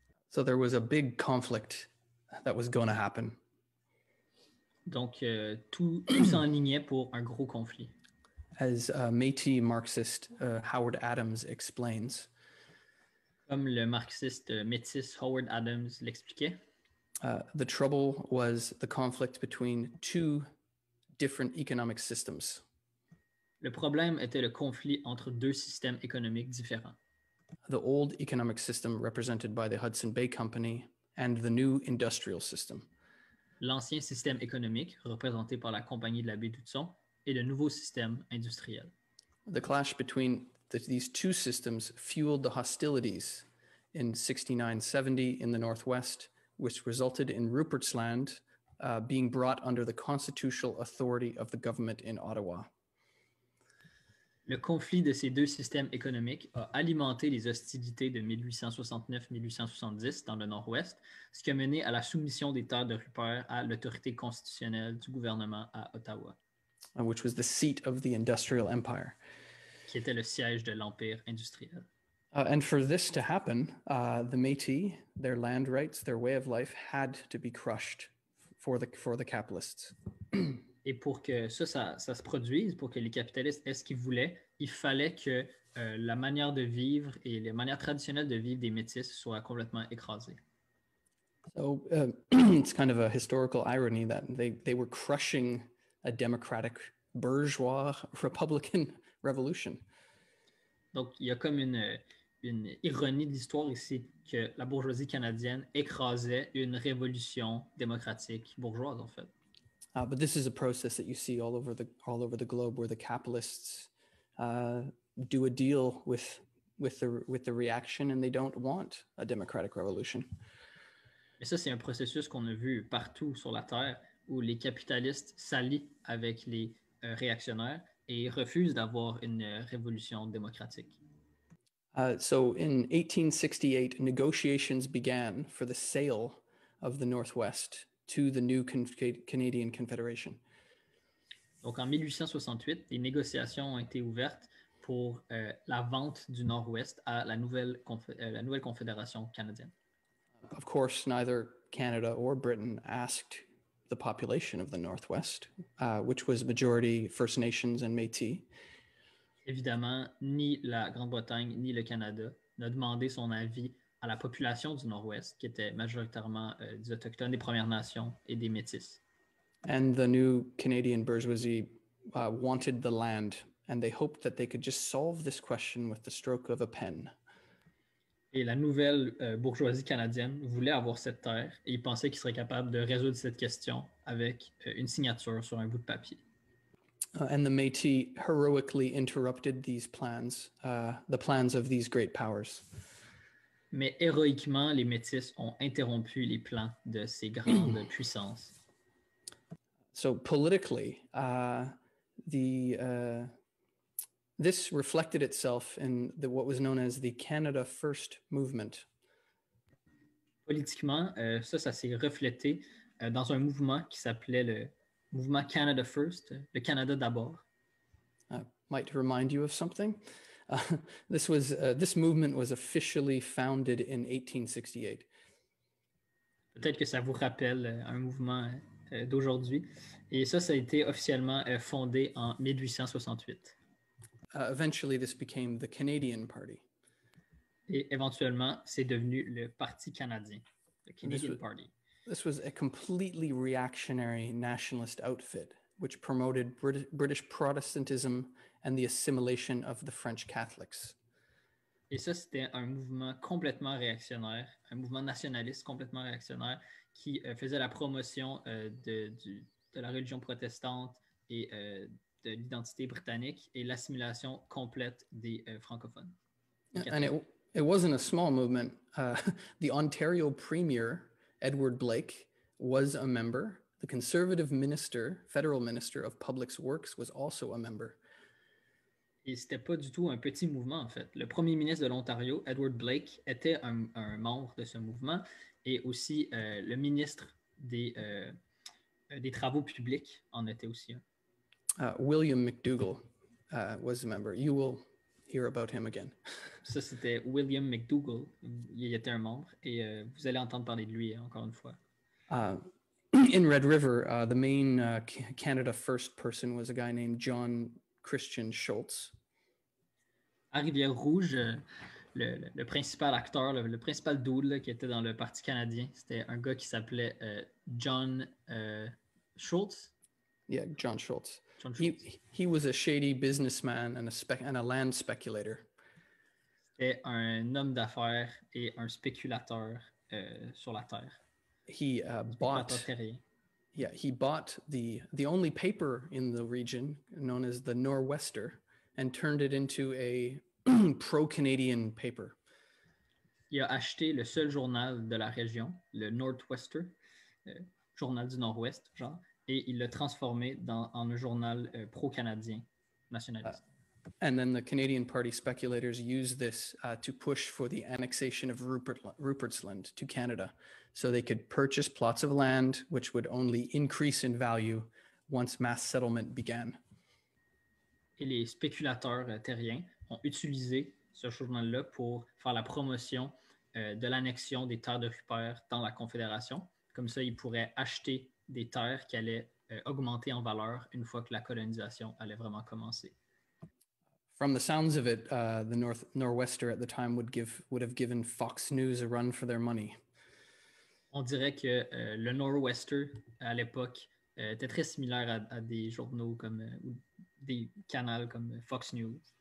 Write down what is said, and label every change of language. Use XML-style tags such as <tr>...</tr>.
<en>So there was a big conflict that was going to happen.</en> <fr>Donc, tout s'enlignait pour un gros conflit.</fr> <en>As Métis Marxist Howard Adams explains.</en> <fr>Comme le marxiste Métis Howard Adams l'expliquait.</fr> <en>The trouble was the conflict between two different economic systems.</en> <fr>Le problème était le conflit entre deux systèmes économiques différents.</fr> <en>The old economic system represented by the Hudson Bay Company and the new industrial system.</en> <fr>L'ancien système économique représenté par la compagnie de la baie d'Hudson et le nouveau système industriel.</fr> <en>The clash between these two systems fueled the hostilities in 69-70 in the Northwest, which resulted in Rupert's Land being brought under the constitutional authority of the government in Ottawa.</en> <fr>Le conflit de ces deux systèmes économiques a alimenté les hostilités de 1869-1870 dans le Nord-Ouest, ce qui a mené à la soumission des terres de Rupert à l'autorité constitutionnelle du gouvernement à Ottawa.</fr> <en>Which was the seat of the industrial empire.</en> <fr>Qui était le siège de l'empire industriel.</fr> <en>And for this to happen, the Métis, their land rights, their way of life, had to be crushed for the capitalists.</en> <fr>Et pour que ça se produise, pour que les capitalistes aient ce qu'ils voulaient, il fallait que la manière de vivre et les manières traditionnelles de vivre des Métis soient complètement écrasées.</fr> <en>So, it's kind of a historical irony that they were crushing a democratic bourgeois Republican revolution.</en> <fr>Donc, il y a comme une ironie de l'histoire ici que la bourgeoisie canadienne écrasait une révolution démocratique bourgeoise, en fait.</fr> <en>But this is a process that you see all over the globe, where the capitalists do a deal with the reaction, and they don't want a democratic revolution.</en> <fr>Mais ça, c'est un processus qu'on a vu partout sur la terre où les capitalistes s'allient avec les réactionnaires et refusent d'avoir une révolution démocratique.</fr> <en>So in 1868, negotiations began for the sale of the Northwest to the new Canadian Confederation.</en> <fr>Donc en 1868, les négociations ont été ouvertes pour la vente du Nord-Ouest à la nouvelle Confédération canadienne.</fr> <en>Of course, neither Canada or Britain asked the population of the Northwest, which was majority First Nations and Métis.</en> <fr>Évidemment, ni la Grande-Bretagne ni le Canada n'a demandé son avis à la population du Nord-Ouest, qui était majoritairement des Autochtones, des Premières Nations et des Métis.</fr> <en>And the new Canadian bourgeoisie wanted the land, and they hoped that they could just solve this question with the stroke of a pen.</en> <fr>Et la nouvelle bourgeoisie canadienne voulait avoir cette terre, et ils pensaient qu'ils seraient capables de résoudre cette question avec une signature sur un bout de papier.</fr> <en>And the Métis heroically interrupted these plans, the plans of these great powers.</en> <fr>Mais héroïquement, les Métis ont interrompu les plans de ces grandes puissances.</fr> <en>So politically, this reflected itself in what was known as the Canada First movement.</en> <fr>Politiquement, ça s'est reflété dans un mouvement qui s'appelait le mouvement Canada First, le Canada d'abord.</fr> <en>I might remind you of something. This movement was officially founded in 1868.</en> <fr>Peut-être que ça vous rappelle un mouvement d'aujourd'hui. Et ça a été officiellement fondé en 1868.</fr> <en>Eventually, this became the Canadian Party.</en> <fr>Et éventuellement, c'est devenu le Parti canadien, the Canadian Party.</fr> <en>This was a completely reactionary nationalist outfit, which promoted British Protestantism and the assimilation of the French Catholics.</en> <fr>Et ça, c'était un mouvement complètement réactionnaire, un mouvement nationaliste complètement réactionnaire qui faisait la promotion de la religion protestante et de l'identité britannique et l'assimilation complète des francophones.</fr> <en>And it wasn't a small movement. The Ontario Premier, Edward Blake, was a member. The Conservative Minister, Federal Minister of Public Works, was also a member.</en> <fr>Et c'était pas du tout un petit mouvement, en fait. Le premier ministre de l'Ontario, Edward Blake, était un membre de ce mouvement, et aussi le ministre des travaux publics en était aussi un.</fr> <en>William McDougall was a member. You will hear about him again.</en> <fr>Ça, c'était William McDougall. Il était un membre, et vous allez entendre parler de lui encore une fois.</fr> <en>In Red River, the main Canada First person was a guy named John Christian Schultz.</en> <fr>À Rivière-Rouge, le principal acteur, le principal dude là, qui était dans le Parti canadien, c'était un gars qui s'appelait John Schultz.</fr> <en>Yeah, John Schultz. He was a shady businessman and a land speculator.</en> <fr>C'était un homme d'affaires et un spéculateur sur la terre.</fr> <en>He bought the only paper in the region known as the Nor'wester and turned it into a pro-Canadian paper.</en> <fr>Il a acheté le seul journal de la région, le Nor'wester, journal du Nord-Ouest, genre, et il l'a transformé en un journal pro-canadien nationaliste.</fr> <en>And then the Canadian Party speculators used this to push for the annexation of Rupert's Land to Canada, so they could purchase plots of land which would only increase in value once mass settlement began.</en> <fr>Et les spéculateurs terriens ont utilisé ce journal-là pour faire la promotion de l'annexion des terres de Rupert dans la Confédération. Comme ça, ils pourraient acheter des terres qui allaient augmenter en valeur une fois que la colonisation allait vraiment commencer.</fr> <en>From the sounds of it, the Nor'wester at the time would have given Fox News a run for their money.</en> <fr>On dirait que le Nor'wester à l'époque était très similaire à des journaux comme ou des canaux comme Fox News.</fr>